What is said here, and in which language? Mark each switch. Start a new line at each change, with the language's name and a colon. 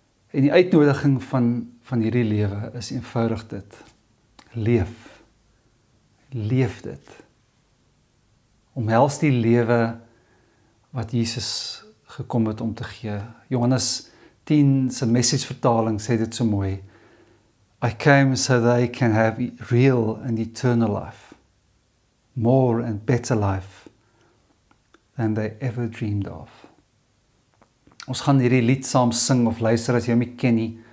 Afrikaans: En die uitnodiging van hierdie lewe is eenvoudig dit. Leef. Leef dit. Omhels die lewe wat Jesus gekom het om te gee. Johannes 10 se message vertaling sê dit so mooi.
English: I came so they can have real and eternal life, more and better life than they ever dreamed of.
Afrikaans: Ons gaan hierdie lied saam sing of luister as jy my ken nie.